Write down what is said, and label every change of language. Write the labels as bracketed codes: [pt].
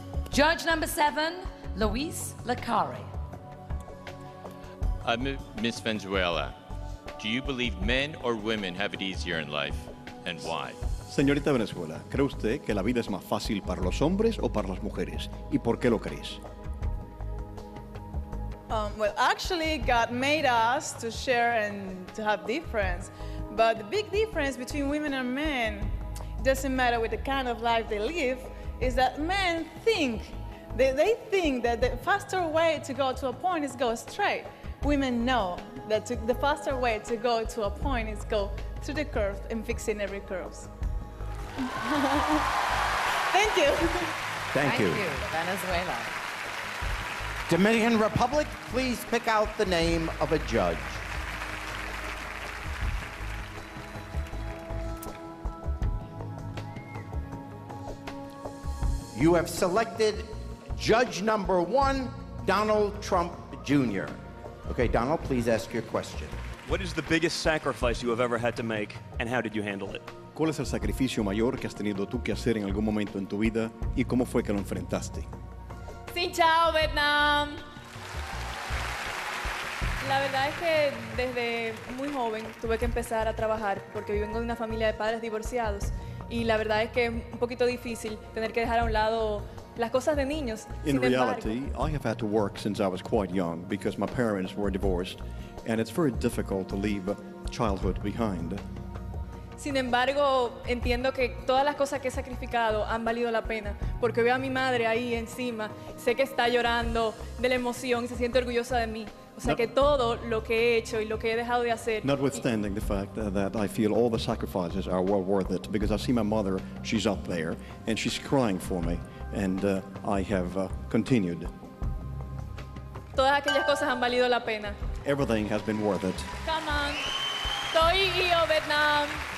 [en] Judge number seven, Luis Lacari. Miss Venezuela, do you believe men or women have it easier in life, and why? [es] Señorita Venezuela, ¿cree usted que la vida es más fácil para los hombres o para las mujeres, y por qué lo crees? [en] Well, actually, God made us to share and to have difference. But the big difference between women and men, doesn't matter with the kind of life they live, is that men think, they think that the faster way to go to a point is go straight. Women know that the faster way to go to a point is go through the curve and fixing every curve. Thank you. Thank you. Venezuela. Dominican Republic, please pick out the name of a judge. You have selected judge number one, Donald Trump Jr. Okay, Donald, please ask your question. What is the biggest sacrifice you have ever had to make, and how did you handle it? [es] ¿Cuál es el sacrificio mayor que has tenido tú que hacer en algún momento en tu vida, y cómo fue que lo enfrentaste? [vi] Xin chào, Vietnam. [es] La verdad es que desde muy joven tuve que empezar a trabajar porque vengo de una familia de padres divorciados. Y la verdad es que es un poquito difícil tener que dejar a un lado las cosas de niños. [en] In reality, I have had to work since I was quite young because my parents were divorced. And it's very difficult to leave childhood behind. [es] Sin embargo, entiendo que todas las cosas que he sacrificado han valido la pena, porque veo a mi madre ahí encima, sé que está llorando de la emoción y se siente orgullosa de mí. O sea, que todo lo que he hecho y lo que he dejado de hacer... [en] Notwithstanding the fact that I feel all the sacrifices are well worth it, because I see my mother, she's up there, and she's crying for me, and I have continued. [es] Todas aquellas cosas han valido la pena. [en] Everything has been worth it. Come on. Toi io Vietnam.